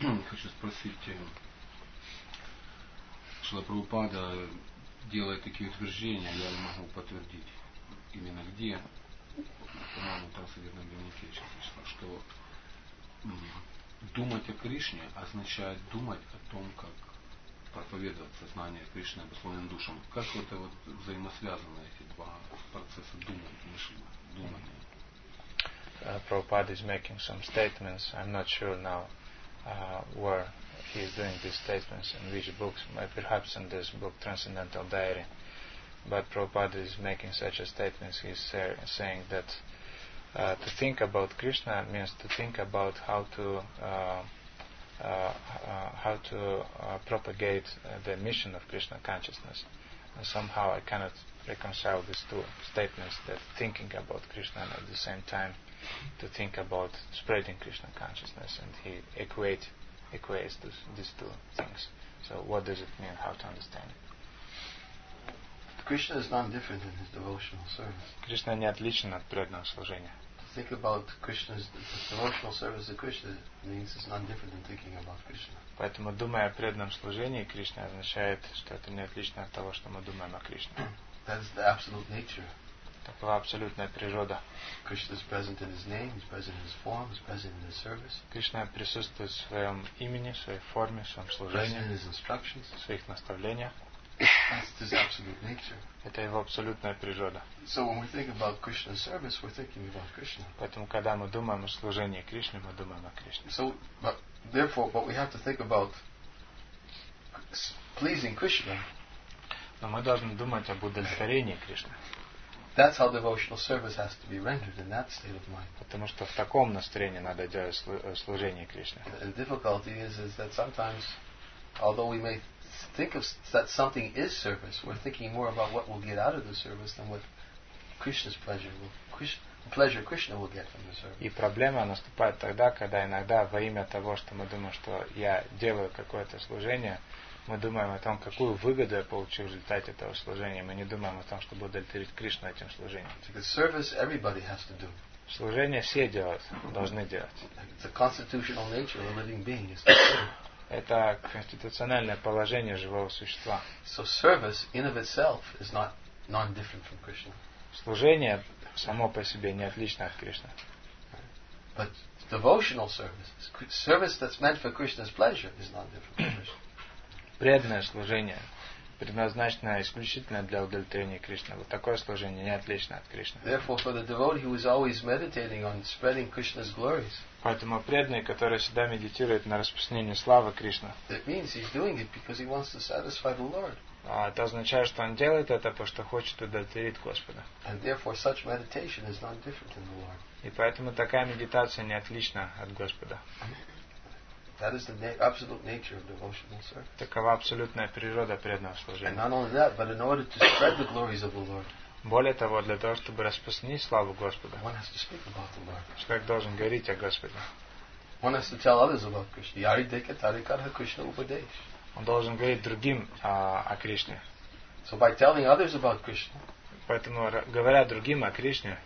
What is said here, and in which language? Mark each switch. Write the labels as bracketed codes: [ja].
[ru] Хочу спросить, Шрила Прабхупада делает такие утверждения, я не могу подтвердить именно где, по-моему, там Содержанном Дневнике, что думать о Кришне означает думать о том, как проповедовать сознание Кришны обусловленным душам. Как это вот взаимосвязано, эти два процесса думать, мышления, думания? [en] Prabhupada is making some statements. I'm not sure now where he is doing these statements, in which books, perhaps in this book, Transcendental Diary. But Prabhupada is making such a statement. He's saying that to think about Krishna means to think about how to propagate the mission of Krishna consciousness. And somehow I cannot reconcile these two statements, that thinking about Krishna and at the same time to think about spreading Krishna consciousness. And he equates these two things. So what does it mean? How to understand it? Krishna is none different in his devotional service. [ru] Krishna не отличен от преданного служения. [en] Think about Krishna's devotional service to Krishna means it's none different than thinking about Krishna. [ru] Поэтому думая о преданном служении Кришне означает, что это не отлично от того, что мы думаем о Кришне. [en] That's the absolute nature. [ru] Такова абсолютная природа. [en] Krishna is present in his name, he's present in his form, he's present in his service. [ru] Кришна присутствует в своем имени, в своей форме, в своем служении. [en] Present in his instructions. [ru] В своих наставлениях. [en] That's his absolute nature. [ru] Это его абсолютная природа. [en] So when we think about Krishna's service, we're thinking about Krishna. [ru] Поэтому когда мы думаем о служении Кришне, мы думаем о Кришне. [en] So, but therefore, what we have to think about pleasing Krishna. [ru] Но мы должны думать об удовлетворении Кришны. [en] That's how devotional service has to be rendered in that state of mind. [ru] Потому что в таком настроении надо делать служение Кришне. [en] The difficulty is that sometimes, although we may think of that something is service, we're thinking more about what we'll get out of the service than what Krishna's pleasure will, pleasure Krishna will get from the service. [ru] И проблема наступает тогда, когда иногда во имя того, что мы думаем, что я делаю какое-то служение, мы думаем о том, какую выгоду я получу в результате этого служения, мы не думаем о том, чтобы удовлетворить Кришну этим служением. [en] Because service everybody has to do. [ru] Служение все делают, должны делать. [en] The constitutional nature of a living being is. [ru] Это конституциональное положение живого существа. [en] So service in of itself is not non-different from Krishna. [ru] Служение само по себе не отлично от Кришны. [en] But devotional service, service that's meant for Krishna's pleasure, is not different from Krishna. [ru] Преданное служение, предназначенное исключительно для удовлетворения Кришны, вот такое служение не отлично от Кришны. [en] Therefore, for the devotee who is always meditating on spreading Krishna's glories. [ru] Поэтому преданный, который всегда медитирует на распространение славы Кришны. [en] That means he's doing it because he wants to satisfy the Lord. [ru] А это означает, что он делает это, потому что хочет удовлетворить Господа. [en] And therefore, such meditation is not different than the Lord. [ru] И поэтому такая медитация не отлична от Господа. [en] That is the absolute nature of devotional service. [ru] Такова абсолютная природа преданного служения. [en] And not only that, but in order to spread the glories of the Lord. [ru] Более того, для того, чтобы распространить славу Господа. [en] One has to speak about the Lord. [ru] Человек должен говорить о Господе. [en] One has to tell others about Krishna. [bn] Yari deke tarikarha Krishna upadesh. [ru] Он должен говорить другим о Кришне. [en] So by telling others about Krishna. [ru] Поэтому говоря другим о Кришне.